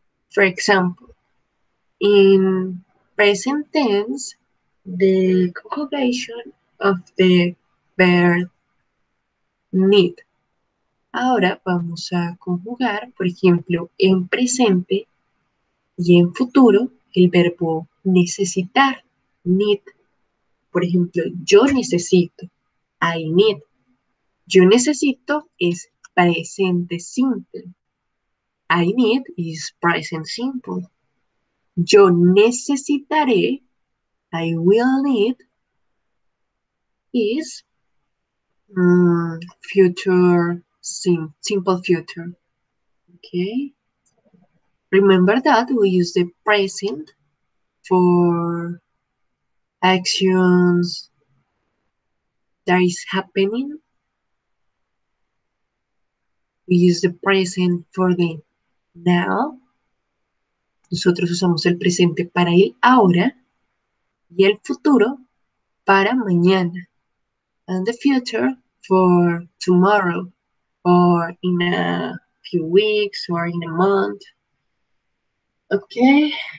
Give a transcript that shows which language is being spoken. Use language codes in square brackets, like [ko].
[en] For example, in present tense, the conjugation of the verb need. [es] Ahora vamos a conjugar, por ejemplo, en presente y en futuro, el verbo necesitar, need. Por ejemplo, yo necesito, [en] I need. [es] Yo necesito es presente simple. [en] I need is present simple. [es] Yo necesitaré, [en] I will need, is future simple future. Okay. Remember that we use the present for actions that is happening. We use the present for the now. [es] Nosotros usamos el presente para el ahora y el futuro para mañana. [en] And the future for tomorrow or in a few weeks or in a month. Okay.